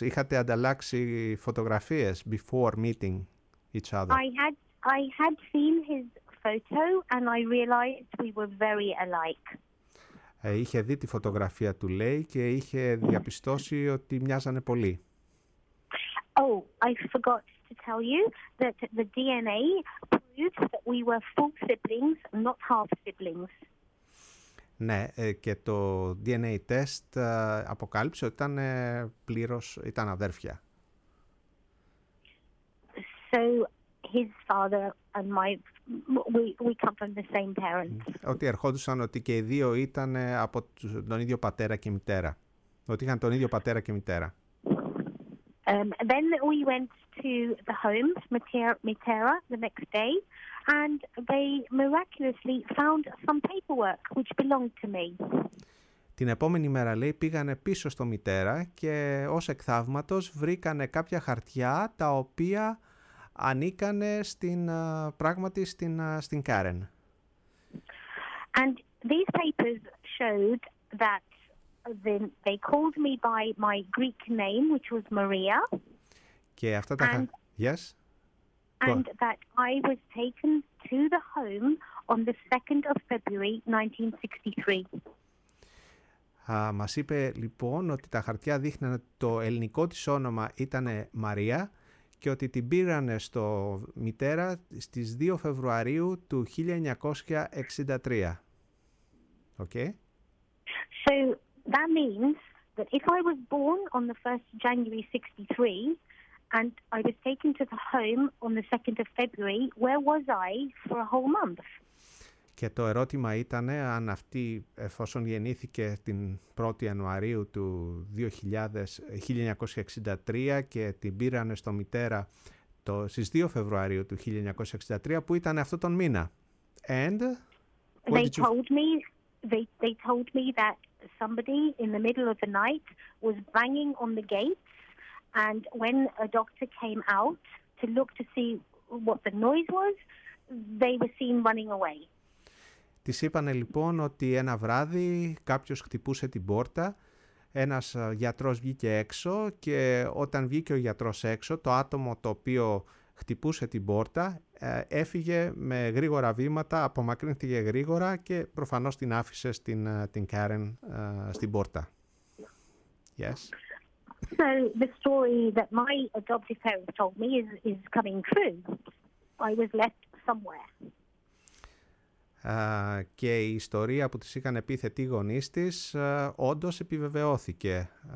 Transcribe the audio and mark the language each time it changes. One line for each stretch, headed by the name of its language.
Greek: Είχατε ανταλλάξει φωτογραφίες
English: before meeting each other? I had seen his photo and I realized we were very alike.
Greek: Είχε δει τη φωτογραφία του, λέει, και είχε διαπιστώσει ότι μοιάζανε πολύ.
English: Oh, I forgot to tell you that the DNA proved that we were full siblings, not half siblings.
Greek: Ναι, και το DNA test αποκάλυψε ότι ήταν πλήρως, ήταν αδέρφια.
English: So his father and my we come from the same parents.
Greek: Ότι ερχόντουσαν ότι και οι δύο ήταν από τον ίδιο πατέρα και μητέρα. Ότι είχαν τον ίδιο πατέρα και μητέρα.
English: Then we went to the home, Mitera, the next day, and they miraculously found some paperwork which belonged to me.
Greek: Την επόμενη μέρα, λέει, πήγανε πίσω στο Μητέρα και ως εκ θαύματος βρήκανε κάποια χαρτιά τα οποία ανήκανε στην πράγματι στην Κάρεν.
English: And these papers showed that they called me by my Greek name, which was Maria.
Greek: Και αυτά τα
English: yes. And that I was taken to the home on the 2nd of February 1963.
Greek: Μας είπε λοιπόν ότι τα χαρτιά δείχνανε ότι το ελληνικό της όνομα ήταν Μαρία και ότι την πήρανε στο Μητέρα στις 2 Φεβρουαρίου του 1963.
English: Okay. So that means that if I was born on the 1st of January 63 and I was taken to the home on the 2nd of February, where was I for a whole month?
Greek: Και το ερώτημα ήταν αν αυτή, εφόσον γεννήθηκε την 1η Ιανουαρίου του 1963 και την πήρανε στο Μητέρα στις 2 Φεβρουαρίου του 1963, που ήταν αυτό τον μήνα.
English: And they told me that somebody in the middle of the night was banging on the gates, and when a doctor came out to look to see what the noise was, they were seen running away.
Greek: Τις είπανε λοιπόν ότι ένα βράδυ κάποιος χτυπούσε την πόρτα, ένας γιατρός βγήκε έξω και όταν βγήκε ο γιατρός έξω, το άτομο το οποίο χτυπούσε την πόρτα έφυγε με γρήγορα βήματα, απομακρύνθηκε γρήγορα και προφανώς την άφησε στην, την Karen στην πόρτα.
English: Yes. So the story that my adoptive parents told me is coming true. I was left somewhere.
Greek: Και η ιστορία που της είχαν επιθετεί γονείς της όντως επιβεβαιώθηκε.